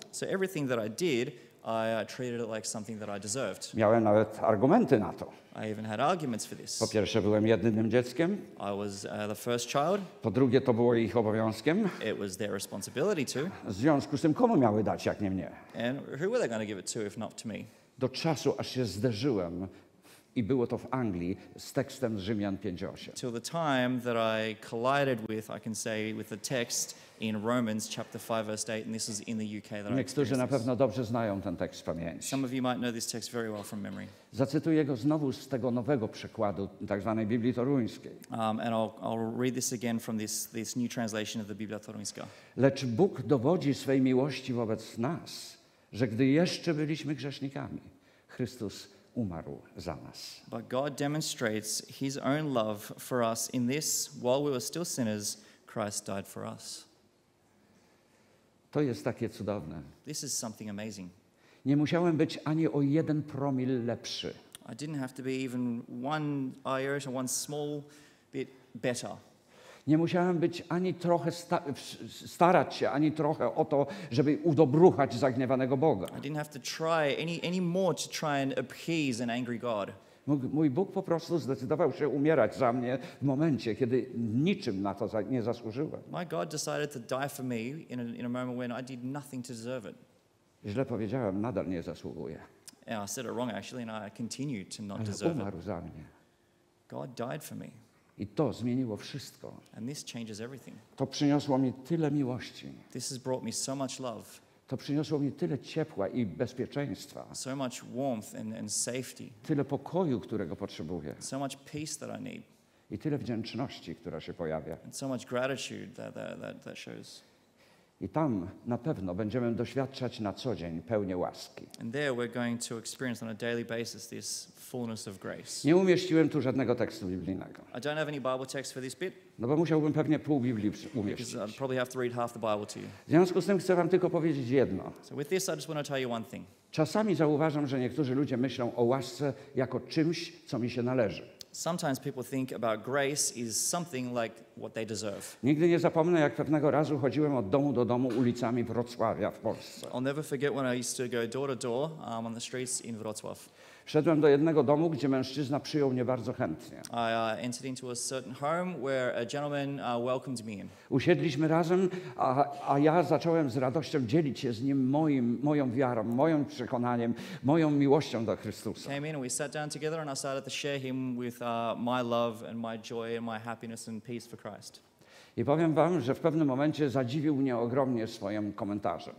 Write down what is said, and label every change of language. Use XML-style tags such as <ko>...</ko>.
<en>So everything that I did, I treated it like something that I deserved.</en> <pl>Miałem nawet argumenty na to.</pl> <en>I even had arguments for this.</en> <pl>Po pierwsze, byłem jedynym dzieckiem.</pl> <en>I was the first child.</en> <pl>Po drugie, to było ich obowiązkiem.</pl> <en>It was their responsibility too.</en> <pl>W związku z tym, komu miały dać, jak nie mnie?</pl> <en>And who were they going to give it to, if not to me?</en> <pl>Do czasu, aż się zderzyłem, i było to w Anglii, z tekstem Rzymian 5:8.</pl> <en>Till the time that I collided with, I can say, with the text in Romans chapter 5, verse 8, and this is in the UK that I experienced.</en> <pl>Niektórzy na pewno dobrze znają ten tekst z pamięci.</pl> <en>Some of you might know this text very well from memory.</en> <pl>Zacytuję go znowu z tego nowego przekładu, tak zwanej Biblii Toruńskiej.</pl> <en>And I'll read this again from this new translation of the Biblia Toruńska.</en> <pl>Lecz Bóg dowodzi swej miłości wobec nas, że gdy jeszcze byliśmy grzesznikami, Chrystus umarł za nas.</pl> <en>But God demonstrates his own love for us in this, while we were still sinners, Christ died for us.</en> <pl>To jest takie cudowne.</pl> <en>This is something amazing.</en> <pl>Nie musiałem być ani o jeden promil lepszy.</pl> <en>I didn't have to be even one iota, one small bit better.</en> <pl>Nie musiałem być ani trochę starać się, ani trochę o to, żeby udobruchać zagniewanego Boga.</pl> <en>I didn't have to try any more to try and appease an angry God.</en> <pl>Mój Bóg po prostu zdecydował się umierać za mnie w momencie, kiedy niczym na to nie zasłużyłem.</pl> <en>My God decided to die for me in a moment when I did nothing to deserve it.</en> <pl>Źle powiedziałem, nadal nie zasługuję.</pl> <en>Yeah, I said it wrong actually, and I continue to not deserve it.</en> <pl>Ale umarł za mnie.</pl> <en>God died for me.</en> <pl>I to zmieniło wszystko.</pl> <en>And this changes everything.</en> <pl>To przyniosło mi tyle miłości.</pl> <en>This has brought me so much love.</en> <pl>To przyniosło mi tyle ciepła i bezpieczeństwa.</pl> <en>So much warmth and safety.</en> <pl>Tyle pokoju, którego potrzebuję.</pl> <en>So much peace that I need.</en> <pl>I tyle wdzięczności, która się pojawia.</pl> <en>And so much gratitude that shows.</en> <pl>I tam na pewno będziemy doświadczać na co dzień pełnię łaski.</pl> <en>And there we're going to experience on a daily basis this fullness of grace.</en> <pl>Nie umieściłem tu żadnego tekstu biblijnego.</pl> <en>I don't have any Bible text for this bit.</en> <pl>No bo musiałbym pewnie pół Biblii umieścić.</pl> <en>Because I'd probably have to read half the Bible to you.</en> <pl>W związku z tym chcę wam tylko powiedzieć jedno.</pl> <en>So with this I just want to tell you one thing.</en> <pl>Czasami zauważam, że niektórzy ludzie myślą o łasce jako czymś, co mi się należy.</pl> <en>Sometimes people think about grace is something like what they deserve.</en> <pl>Nigdy nie zapomnę, jak pewnego razu chodziłem od domu do domu ulicami Wrocławia w Polsce.</pl> <en>I'll never forget when I used to go door to door on the streets in Wrocław.</en> <pl>Wszedłem do jednego domu, gdzie mężczyzna przyjął mnie bardzo chętnie.</pl> <en>I entered into a certain home where a gentleman welcomed me in.</en> <pl>Usiedliśmy razem, a ja zacząłem z radością dzielić się z nim moją wiarą, moim przekonaniem, moją miłością do Chrystusa.</pl> <en>Came in and we sat down together and I started to share him with my love and my joy and my happiness and peace for Christ.</en> <pl>I powiem wam, że w pewnym momencie zadziwił mnie ogromnie swoim komentarzem.</pl>